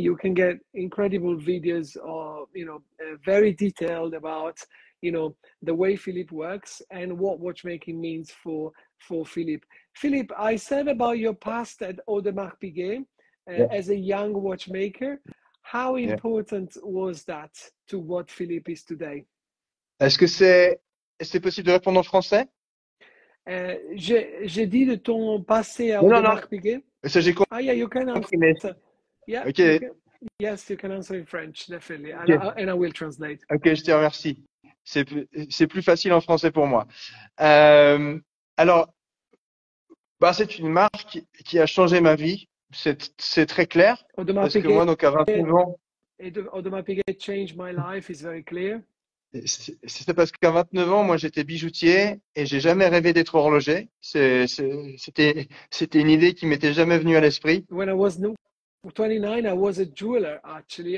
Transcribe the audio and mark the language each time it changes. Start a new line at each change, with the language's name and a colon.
English: You can get incredible videos or, you know, very detailed about, you know, the way Philippe works and what watchmaking means for Philippe. Philippe, I said about your past at Audemars Piguet. As a young watchmaker, how important was that to what Philippe is today?
French: Est-ce que c'est possible de répondre en français? J'ai dit de ton passé à Audemars Piguet. Ça, j'ai compris.
English: Ah, yeah, you can answer. Okay. You can answer in French, definitely. Okay. And I will translate.
French: Ok, je te remercie. C'est plus facile en français pour moi. Alors, c'est une marque qui a changé ma vie. C'est très clair. Audemars parce Piguet, que moi, donc à 29 ans.
English: Audemars Piguet changed my life, is very clear.
French: C'est parce qu'à 29 ans, moi, j'étais bijoutier et j'ai jamais rêvé d'être horloger. C'était une idée qui m'était jamais venue à l'esprit.
English: When I was 29, I was a jeweler, actually.